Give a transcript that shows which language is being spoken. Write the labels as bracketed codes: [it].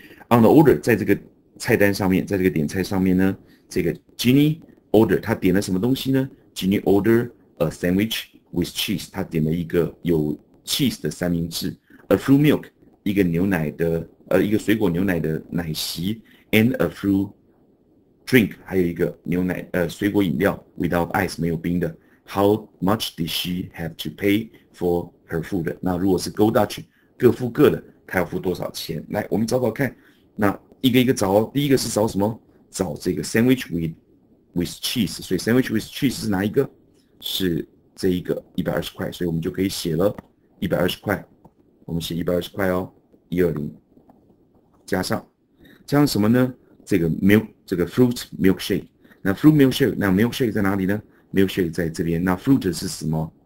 [en] On the order， [zh] 在这个菜单上面，在这个点菜上面呢，这个 Ginny order， 他点了什么东西呢 ？ [en] Ginny order a sandwich with cheese， [zh] 他点了一个有 cheese 的三明治 ， [en] a fruit milk， [zh] 一个牛奶的一个水果牛奶的奶昔 ， [en] and a fruit。 [zh] Drink 还有一个牛奶水果饮料 [en] without ice [zh] 没有冰的。 [en] How much did she have to pay for her food？ [zh] 那如果是 Gold Dutch 各付各的，她要付多少钱？来，我们找找看。那一个一个找，第一个是找什么？找这个 sandwich with cheese。所以 sandwich with cheese 是哪一个？是这一个120块，所以我们就可以写了120块。我们写120块哦，120加上什么呢？这个 milk。这个 fruit milkshake， 那 fruit milkshake， 那 milkshake 在哪里呢 ？milkshake 在这边。那 fruit 是什么？